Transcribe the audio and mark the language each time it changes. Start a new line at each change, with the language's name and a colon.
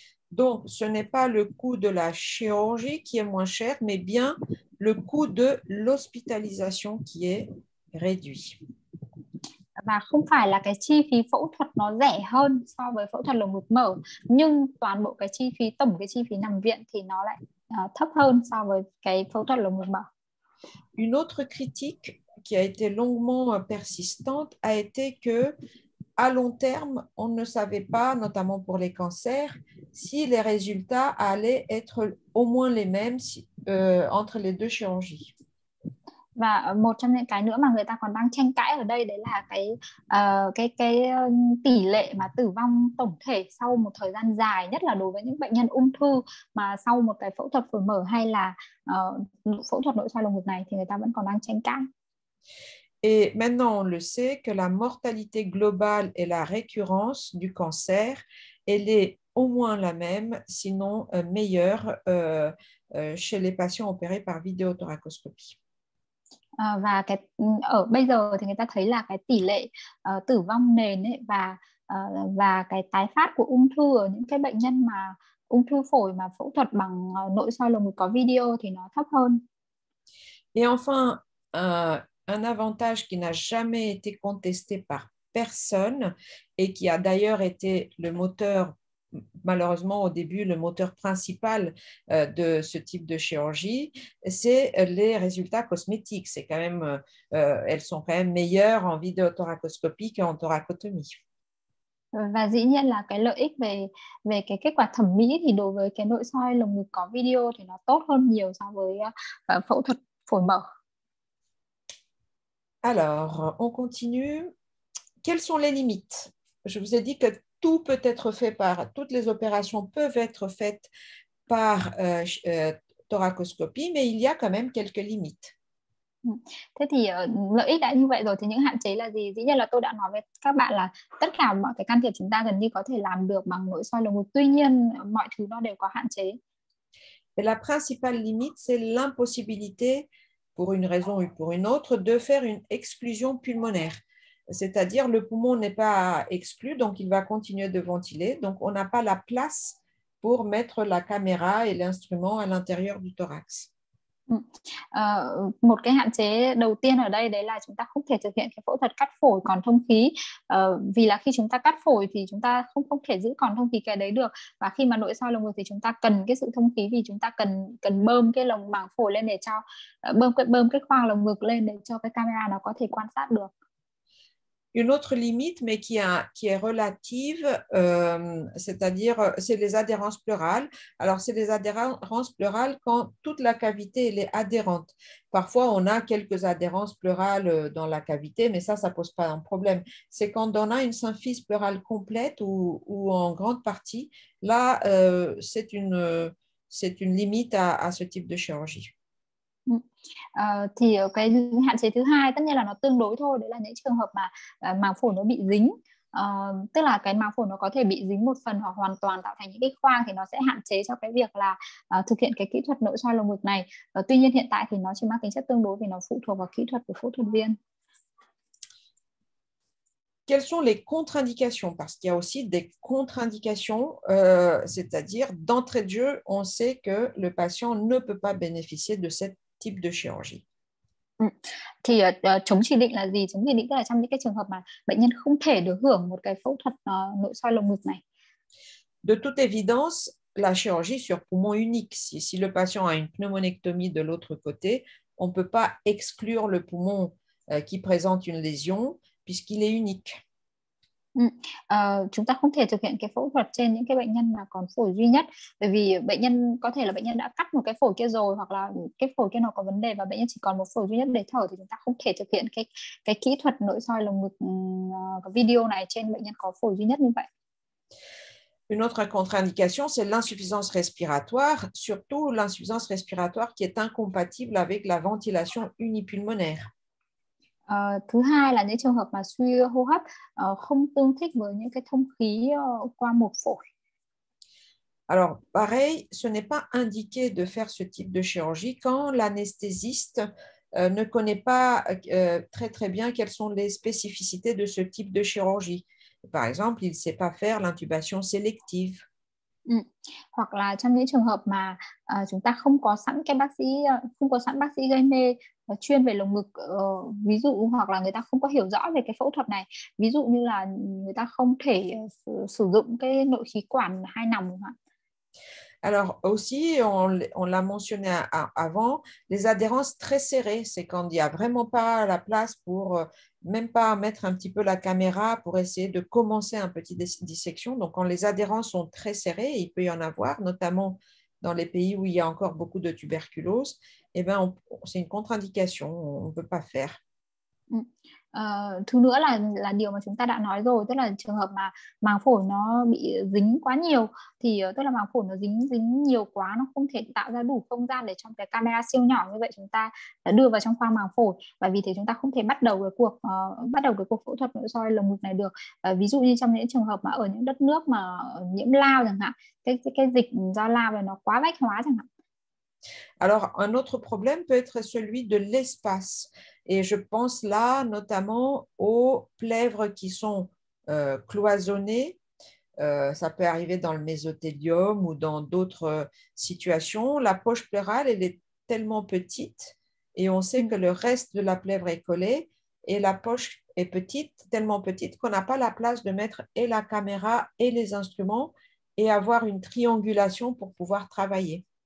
French: Donc, ce n'est pas le coût de la chirurgie qui est moins cher, mais bien le coût de l'hospitalisation qui est réduit.
Vietnamese: Và không phải là cái chi phí phẫu thuật nó rẻ hơn so với phẫu thuật lồng ngực mở, nhưng toàn bộ cái chi phí, tổng cái chi phí nằm viện thì nó lại thấp hơn so với cái phẫu thuật lồng ngực mở.
French: Une autre critique qui a été longuement persistante a été que à long terme, on ne savait pas, notamment pour les cancers, si les résultats allaient être au moins les mêmes si, entre les deux chirurgies.
Vietnamese: Và một trong những cái nữa mà người ta còn đang tranh cãi ở đây, đấy là cái tỷ lệ mà tử vong tổng thể sau một thời gian dài, nhất là đối với những bệnh nhân ung thư mà sau một cái phẫu thuật phổi mở hay là phẫu thuật nội soi lồng ngực này, thì người ta vẫn còn đang tranh cãi.
French: Et maintenant, on le sait que la mortalité globale et la récurrence du cancer, elle est au moins la même, sinon meilleure chez les patients opérés par vidéothoracoscopie.
Vietnamese: Và bây giờ thì người ta thấy là cái tỷ lệ tử vong nền ấy, và cái tái phát của ung thư ở những cái bệnh nhân mà ung thư phổi mà phẫu thuật bằng nội soi lồng ngực có video thì nó thấp hơn.
French: Et enfin, un avantage qui n'a jamais été contesté par personne et qui a d'ailleurs été le moteur, malheureusement au début, le moteur principal de ce type de chirurgie, c'est les résultats cosmétiques. C'est quand même, elles sont quand même meilleures en vidéothoracoscopie qu'en thoracotomie.
Vietnamese: Và dĩ nhiên là cái lợi ích về về cái kết quả thẩm mỹ thì đối với cái nội soi lồng ngực có video thì nó tốt hơn nhiều so với phẫu thuật phổi mở.
French: Alors, on continue. Quelles sont les limites? Je vous ai dit que tout peut être fait par, toutes les opérations peuvent être faites par thoracoscopie, mais il y a quand même quelques limites.
Vietnamese: Thế thì lợi ích đã như vậy rồi thì những hạn chế là gì? Dĩ nhiên là tôi đã nói với các bạn là tất cả mọi cái can thiệp chúng ta gần như có thể làm được bằng nội soi lồng ngực, tuy nhiên mọi thứ nó đều có hạn chế.
French: Et la principale limite, c'est l'impossibilité, pour une raison ou pour une autre, de faire une exclusion pulmonaire. C'est-à-dire le poumon n'est pas exclu, donc il va continuer de ventiler. Donc on n'a pas la place pour mettre la caméra et l'instrument à l'intérieur du thorax.
Vietnamese: Một cái hạn chế đầu tiên ở đây đấy là chúng ta không thể thực hiện cái phẫu thuật cắt phổi còn thông khí, vì là khi chúng ta cắt phổi thì chúng ta không không thể giữ còn thông khí cái đấy được, và khi mà nội soi lồng ngực thì chúng ta cần cái sự thông khí vì chúng ta cần cần bơm cái lồng màng phổi lên để cho bơm cái khoang lồng ngực lên để cho cái camera nó có thể quan sát được.
French: Une autre limite, mais qui est relative, c'est-à-dire, c'est les adhérences pleurales. Alors, c'est les adhérences pleurales quand toute la cavité elle est adhérente. Parfois, on a quelques adhérences pleurales dans la cavité, mais ça ne pose pas un problème. C'est quand on a une symphyse pleurale complète ou en grande partie. Là, c'est une limite à ce type de chirurgie.
Vietnamese: Thì cái hạn chế thứ hai tất nhiên là nó tương đối thôi, đấy là những trường hợp mà màng phổi nó bị dính, tức là cái màng phổi nó có thể bị dính một phần hoặc hoàn toàn tạo thành những cái khoang, thì nó sẽ hạn chế cho cái việc là thực hiện cái kỹ thuật nội soi lồng ngực này. Tuy nhiên hiện tại thì nó chỉ mang tính chất tương đối vì nó phụ thuộc vào kỹ thuật của phẫu thuật viên.
French: Quelles sont les contre-indications? Parce qu'il y a aussi des contre-indications, c'est-à-dire d'entrée de jeu, on sait que le patient ne peut pas bénéficier de ce type de chirurgie.
Vietnamese: Thì chống chỉ định là gì? Chống chỉ định tức là trong những cái trường hợp mà bệnh nhân không thể được hưởng một cái phẫu thuật nội soi lồng ngực này.
French: De toute évidence, la chirurgie sur poumon unique, si le patient a une pneumonectomie de l'autre côté, on ne peut pas exclure le poumon qui présente une lésion, puisqu'il est unique.
Vietnamese: Chúng ta không thể thực hiện cái phẫu thuật trên những cái bệnh nhân mà còn phổi duy nhất, bởi vì bệnh nhân có thể là bệnh nhân đã cắt một cái phổi kia rồi, hoặc là cái phổi kia nó có vấn đề và bệnh nhân chỉ còn một phổi duy nhất để thở, thì chúng ta không thể thực hiện cái kỹ thuật nội soi lồng ngực video này trên bệnh nhân có phổi duy nhất như vậy.
French: Une autre contre-indication, c'est l'insuffisance respiratoire, surtout l'insuffisance respiratoire qui est incompatible avec la ventilation unipulmonaire.
Vietnamese: Thứ hai là những trường hợp mà suy hô hấp không tương thích với những cái thông khí qua một phổi.
French: Alors, pareil, ce n'est pas indiqué de faire ce type de chirurgie quand l'anesthésiste ne connaît pas très très bien quelles sont les spécificités de ce type de chirurgie. Par exemple, il ne sait pas faire l'intubation sélective.
Vietnamese: Hoặc là trong những trường hợp mà chúng ta không có sẵn cái bác sĩ, không có sẵn bác sĩ gây mê chuyên về lồng ngực, ví dụ, hoặc là người ta không có hiểu rõ về cái phẫu thuật này, ví dụ như là người ta không thể sử dụng cái nội khí quản hai nòng.
French: Alors aussi, on l'a mentionné avant, les adhérences très serrées, c'est quand il n'y a vraiment pas la place pour même pas mettre un petit peu la caméra pour essayer de commencer un petit dissection. Donc quand les adhérences sont très serrées, il peut y en avoir, notamment dans les pays où il y a encore beaucoup de tuberculose, eh ben, c'est une contre-indication, on ne peut pas faire.
Vietnamese: Thứ nữa là điều mà chúng ta đã nói rồi, tức là trường hợp mà màng phổi nó bị dính quá nhiều, thì tức là màng phổi nó dính nhiều quá, nó không thể tạo ra đủ không gian để trong cái camera siêu nhỏ như vậy chúng ta đưa vào trong khoang màng phổi, và vì thế chúng ta không thể bắt đầu cái cuộc phẫu thuật nội soi lồng ngực này được. Ví dụ như trong những trường hợp mà ở những đất nước mà nhiễm lao chẳng hạn, cái dịch do lao này nó quá vách hóa chẳng hạn.
French: Alors, un autre problème peut être celui de l'espace. Et je pense là notamment aux plèvres qui sont cloisonnées. Ça peut arriver dans le mésothélium ou dans d'autres situations. La poche pleurale, elle est tellement petite et on sait que le reste de la plèvre est collé et la poche est petite, tellement petite qu'on n'a pas la place de mettre et la caméra et les instruments et avoir une triangulation pour pouvoir travailler.